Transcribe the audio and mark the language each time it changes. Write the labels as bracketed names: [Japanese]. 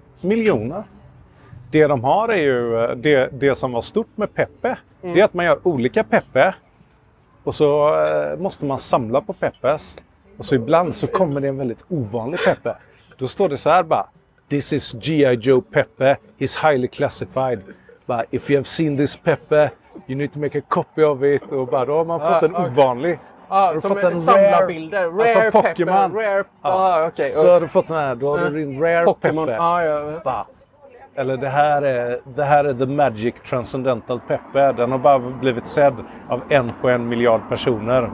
[Swedish] Ja. Miljoner. Det de har är ju, det som var stort med Pepe, det är att man gör olika Pepe. Och så måste man samla på Pepes. Och så ibland så kommer det en väldigt ovanlig Pepe. [English] Då står det så här bara, this is G.I. Joe Pepe, he's highly classified. But if you have seen this Pepe, you need to make a copy of it. [Swedish] Och bara, då har man fått en ovanlig. Ja, som en samla rare, bilder. Rare alltså Pokémon. Okay. Så har du fått den här, då har du din rare Pokémon. Pepe. Ah, ja. Bara, eller det här är [English] the magic transcendental Pepe. [Swedish] Den har bara blivit sedd av en på en miljard personer.